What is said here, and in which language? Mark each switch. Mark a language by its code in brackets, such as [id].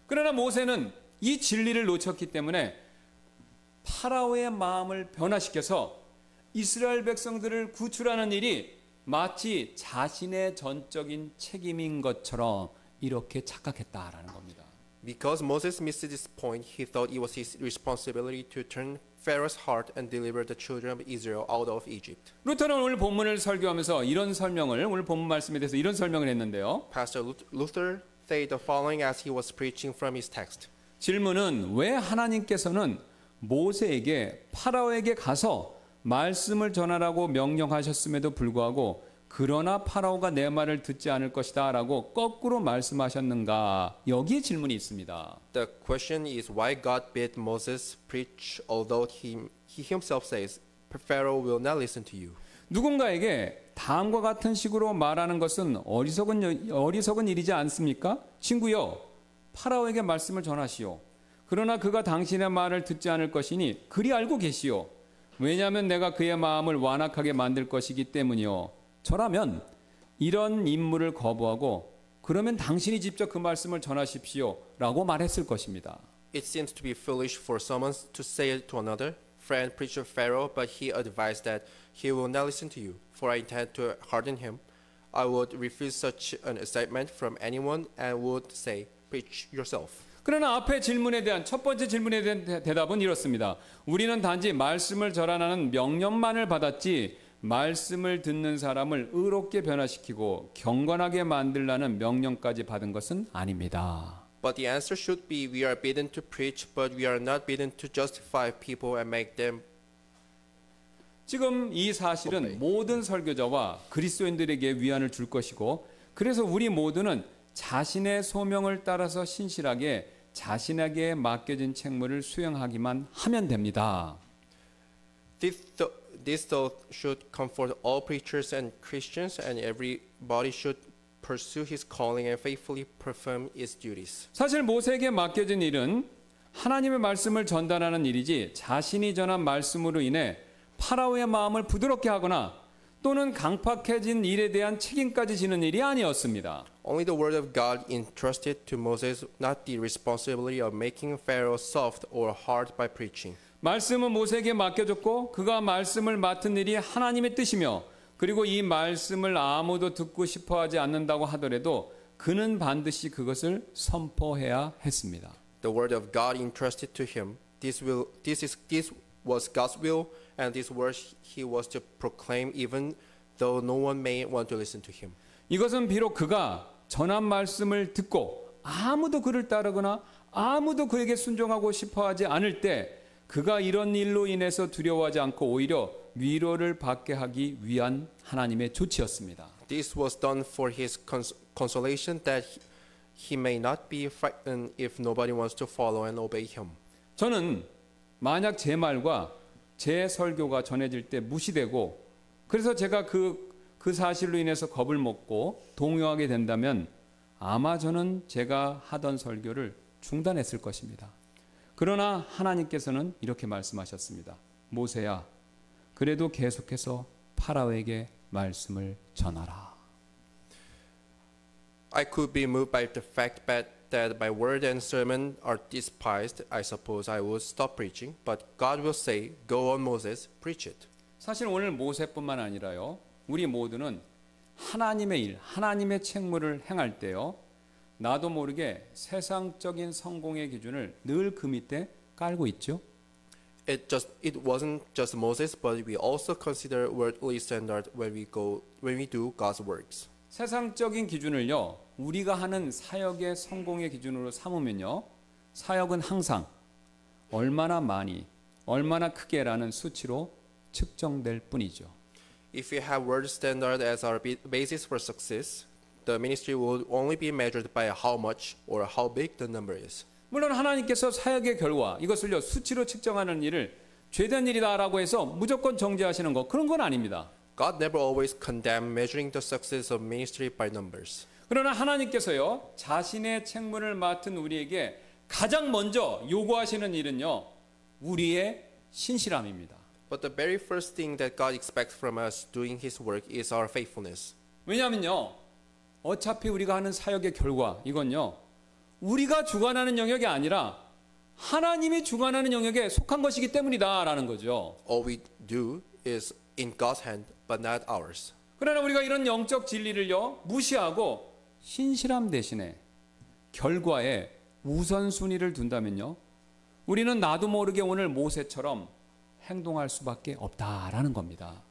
[ko] 그러나 모세는 이 진리를 놓쳤기 때문에. 파라오의 마음을 변화시켜서 이스라엘 백성들을 구출하는 일이 마치 자신의 전적인 책임인 것처럼 이렇게 착각했다라는 겁니다. [en] Because Moses missed this point, he thought it was his responsibility to turn Pharaoh's heart and deliver the children of Israel out of Egypt. [ko] 루터는 오늘 본문을 설교하면서 이런 설명을 오늘 본문 말씀에 대해서 이런 설명을 했는데요. [en] Pastor Luther said the following as he was preaching from his text. [ko] 질문은 왜 하나님께서는 모세에게 파라오에게 가서 말씀을 전하라고 명령하셨음에도 불구하고 그러나 파라오가 내 말을 듣지 않을 것이다 라고 거꾸로 말씀하셨는가 여기에 질문이 있습니다. [en] The question is why God bid Moses preach although he himself says Pharaoh will not listen to you. [ko] 누군가에게 다음과 같은 식으로 말하는 것은 어리석은 일이지 않습니까? 친구여 파라오에게 말씀을 전하시오. 그러나 그가 당신의 말을 듣지 않을 것이니 그리 알고 계시오. 왜냐하면 내가 그의 마음을 완악하게 만들 것이기 때문이오. 저라면 이런 임무를 거부하고 그러면 당신이 직접 그 말씀을 전하십시오. 라고 말했을 것입니다. [en] It seems to be foolish for someone to say it to another friend preacher Pharaoh, but he advised that he will not listen to you, for I intend to harden him. I would refuse such an assignment from anyone and would say, preach yourself. [ko] 그러나 앞에 질문에 대한 첫 번째 질문에 대한 대답은 이렇습니다. 우리는 단지 말씀을 전하는 명령만을 받았지 말씀을 듣는 사람을 의롭게 변화시키고 경건하게 만들라는 명령까지 받은 것은 아닙니다. [en] But the answer should be we are bidden to preach but we are not bidden to justify people and make them [ko] 지금 이 사실은 okay. 모든 설교자와 그리스도인들에게 위안을 줄 것이고 그래서 우리 모두는 자신의 소명을 따라서 신실하게 자신에게 맡겨진 책무를 수행하기만 하면 됩니다. [en] This thought should comfort all preachers and Christians, and everybody should pursue his calling and faithfully perform his duties. [ko] 사실 모세에게 맡겨진 일은 하나님의 말씀을 전달하는 일이지 자신이 전한 말씀으로 인해 파라오의 마음을 부드럽게 하거나 또는 강팍해진 일에 대한 책임까지 지는 일이 아니었습니다. [en] Only the word of God entrusted to Moses, not the responsibility of making Pharaoh soft or hard by preaching. [ko] 말씀은 모세에게 맡겨졌고 그가 말씀을 맡은 일이 하나님의 뜻이며 그리고 이 말씀을 아무도 듣고 싶어하지 않는다고 하더라도 그는 반드시 그것을 선포해야 했습니다. [en] The word of God entrusted to him. This was God's will. And these words he was to proclaim even though no one may want to listen to him. [ko] 이것은 비록 그가 전한 말씀을 듣고 아무도 그를 따르거나 아무도 그에게 순종하고 싶어하지 않을 때 그가 이런 일로 인해서 두려워하지 않고 오히려 위로를 받게 하기 위한 하나님의 조치였습니다. [en] This was done for his consolation that he may not be frightened if nobody wants to follow and obey him. [ko] 저는 만약 제 말과 제 설교가 전해질 때 무시되고 그래서 제가 그 사실로 인해서 겁을 먹고 동요하게 된다면 아마 저는 제가 하던 설교를 중단했을 것입니다. 그러나 하나님께서는 이렇게 말씀하셨습니다. 모세야, 그래도 계속해서 파라오에게 말씀을 전하라. [en] I could be moved by the fact that my word and sermon are despised. I suppose I would stop preaching, but God will say, "Go on, Moses, preach it." [ko] 사실 오늘 모세뿐만 아니라요, 우리 모두는 하나님의 일, 하나님의 책무를 행할 때요, 나도 모르게 세상적인 성공의 기준을 늘 그 밑에 깔고 있죠. [en] It wasn't just Moses, but we also consider worldly standard when we do God's works. [ko] 세상적인 기준을요, 우리가 하는 사역의 성공의 기준으로 삼으면요, 사역은 항상 얼마나 많이, 얼마나 크게라는 수치로 측정될 뿐이죠. [en] If we have world standard as our basis for success, the ministry would only be measured by how much or how big the number is. [ko] 물론 하나님께서 사역의 결과, 이것을요, 수치로 측정하는 일을 죄된 일이다라고 해서 무조건 정죄하시는 것, 그런 건 아닙니다. [en] God never always condemned measuring the success of ministry by numbers. [ko] 그러나 하나님께서요, 자신의 책무를 맡은 우리에게 가장 먼저 요구하시는 일은요, 우리의 신실함입니다. [en] But the very first thing that God expects from us doing his work is our faithfulness. [ko] 왜냐면요, 어차피 우리가 하는 사역의 결과, 이건요, 우리가 주관하는 영역이 아니라 하나님이 주관하는 영역에 속한 것이기 때문이다라는 거죠. [en] All we do is in God's hand, but not ours. [ko] 그러나 우리가 이런 영적 진리를요 무시하고 신실함 대신에 결과에 우선순위를 둔다면요, 우리는 나도 모르게 오늘 모세처럼 행동할 수밖에 없다라는 겁니다.